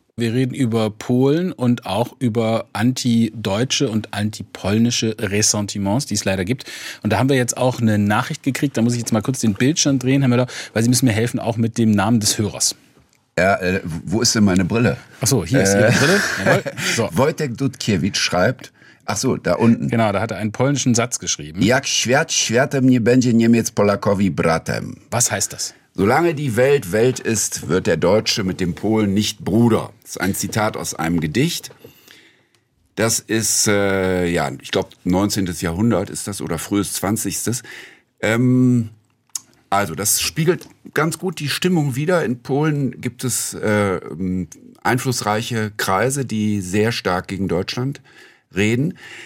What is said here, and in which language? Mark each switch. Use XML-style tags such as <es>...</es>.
<de>Wir reden über Polen und auch über antideutsche und antipolnische Ressentiments, die es leider gibt. Und da haben wir jetzt auch eine Nachricht gekriegt. Da muss ich jetzt mal kurz den Bildschirm drehen, Herr Möller, weil Sie müssen mir helfen, auch mit dem Namen des Hörers. Ja, wo ist denn meine Brille? Ach so, hier ist Ihre Brille. So. Wojtek Dudkiewicz schreibt, ach so, da unten. Genau, da hat er einen polnischen Satz geschrieben.</de> <pl>Jak świat światem nie będzie Niemiec Polakowi bratem.</pl> <de>Was heißt das? Solange die Welt Welt ist, wird der Deutsche mit dem Polen nicht Bruder. Das ist ein Zitat aus einem Gedicht. Das ist, ja, ich glaube, 19. Jahrhundert ist das oder frühes 20. Also das spiegelt ganz gut die Stimmung wider. In Polen gibt es einflussreiche Kreise, die sehr stark gegen Deutschland reden.</de>